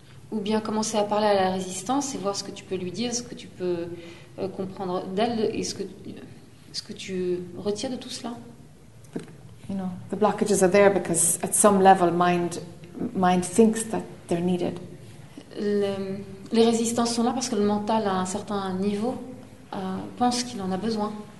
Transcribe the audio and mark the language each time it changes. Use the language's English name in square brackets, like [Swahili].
[French] Ou bien commencer à parler à la résistance et voir ce que tu peux lui dire, ce que tu peux comprendre d'elle et ce que tu retires de tout cela. [English] But, you know, the blockages are there because at some level mind thinks that they're needed. [French] Les résistances sont là parce que le mental à un certain niveau pense qu'il en a besoin.